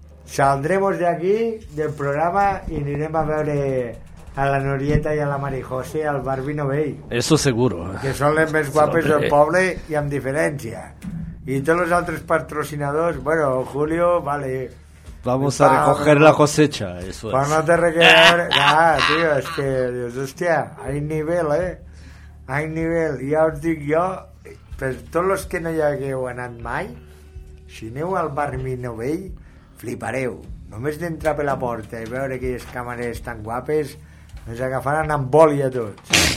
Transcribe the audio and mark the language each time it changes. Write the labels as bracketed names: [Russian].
[Spanish] Saldremos de aquí del programa [Catalan] i anirem a veure a la Norieta i a la Mari José al Barbino Vell. [Spanish] Eso seguro. [Catalan] Que són les més guapes del poble i amb diferència. I tots els altres patrocinadors, bueno, Julio, vale. [Spanish] Vamos a recoger la cosecha, eso es. Para no te requerir... Ah, tío, es que, dios, hostia, hay nivel, ¿eh? Hay nivel. [Catalan] Ja us dic jo, per tots els que no hi hagueu anat mai, si aneu al Barbino Vell, flipareu. Només d'entrar per la porta i veure aquelles càmeres tan guapes, ens agafaran amb boli a tots.